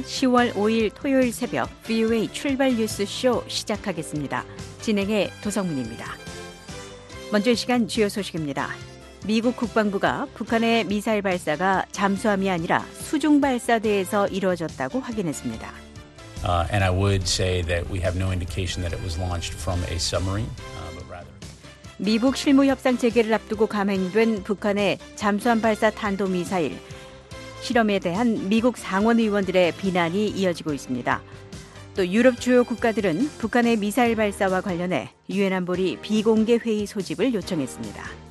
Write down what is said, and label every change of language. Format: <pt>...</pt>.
<ko>10월 5일 토요일 새벽 VOA 출발 뉴스 쇼 시작하겠습니다. 진행의 도성문입니다. 먼저 이 시간 주요 소식입니다. 미국 국방부가 북한의 미사일 발사가 잠수함이 아니라 수중 발사대에서 이루어졌다고 확인했습니다.</ko> <en>And I would say that we have no indication that it was launched from a submarine, but rather.</en> <ko>미국 실무 협상 재개를 앞두고 감행된 북한의 잠수함 발사 탄도 미사일 실험에 대한 미국 상원 의원들의 비난이 이어지고 있습니다. 또 유럽 주요 국가들은 북한의 미사일 발사와 관련해 유엔 안보리 비공개 회의 소집을 요청했습니다.</ko>